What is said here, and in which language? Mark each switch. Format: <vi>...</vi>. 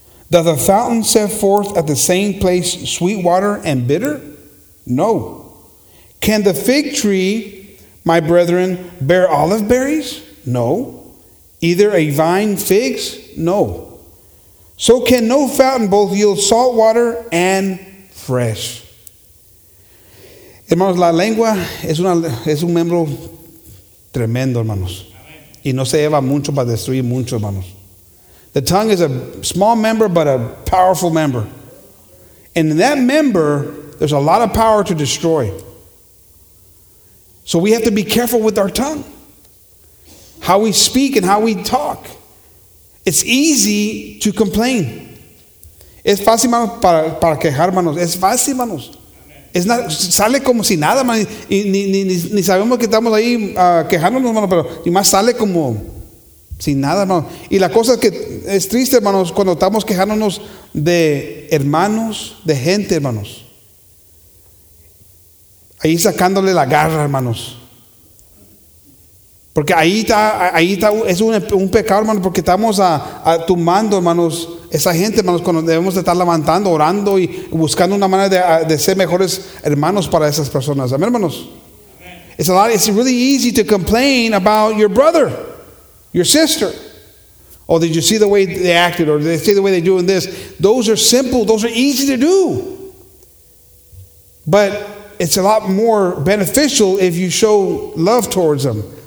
<en>Doth a fountain set forth at the same place sweet water and bitter? No. Can the fig tree, my brethren, bear olive berries? No. Either a vine figs? No. So can no fountain both yield salt water and fresh.</en> <es>Hermanos, la lengua es un miembro tremendo, hermanos. Y no se lleva mucho para destruir mucho, hermanos.</es> <en>The tongue is a small member, but a powerful member. And in that member, there's a lot of power to destroy. So we have to be careful with our tongue. How we speak and how we talk. It's easy to complain.</en> <es>Es fácil, hermanos, para quejar, hermanos. Es fácil, hermanos. Es not, sale como si nada, hermanos. Y ni sabemos que estamos ahí quejándonos, hermanos, pero y más sale como sin nada, hermanos. Y la cosa es que es triste, hermanos, cuando estamos quejándonos de hermanos, de gente, hermanos. Ahí sacándole la garra, hermanos. Porque ahí está, es un pecado, hermanos, porque estamos a tumbando, hermanos, esa gente, hermanos, cuando debemos de estar levantando, orando y buscando una manera de ser mejores hermanos para esas personas. Amén, hermanos. Amen.</es> <en>It's really easy to complain about your brother, your sister. Oh, did you see the way they acted? Or did they see the way they're doing this? Those are simple. Those are easy to do. But it's a lot more beneficial if you show love towards them.</en>